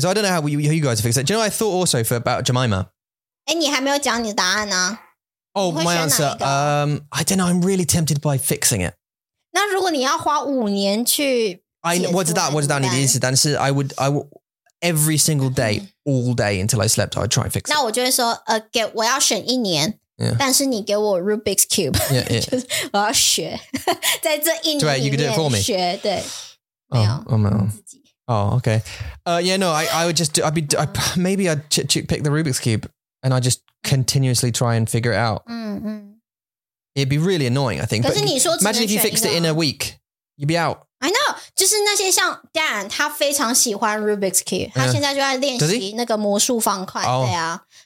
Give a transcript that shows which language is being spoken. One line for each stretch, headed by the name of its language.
English: So I don't know how you guys fix it. Do you know what I thought also for about Jemima? Oh, my answer. I don't know. I'm really tempted by fixing it.
Chinese: 那如果你要花五年去...
English: 我知道你的意思，但是 I would every single day, all day until I slept, I'd try and fix it.
Chinese: 那我就会说，我要选一年。
English: Yeah.
Chinese: 但是你给我 Rubik's Cube.
English: Yeah, yeah.
Chinese: 我要学 在这一年里面学
English: Right, you could do it for me.
Chinese: 学，对。没有。Oh,
English: okay. Yeah, no, I'd pick the Rubik's Cube and I'd just continuously try and figure it out. Mm-hmm. It'd be really annoying, I think. Imagine if you fixed it in a week. You'd be out. I know. 就是那些像 Dan, 他非常喜欢 Rubik's Cube.
Chinese: 他现在就在练习那个魔术方块。对啊。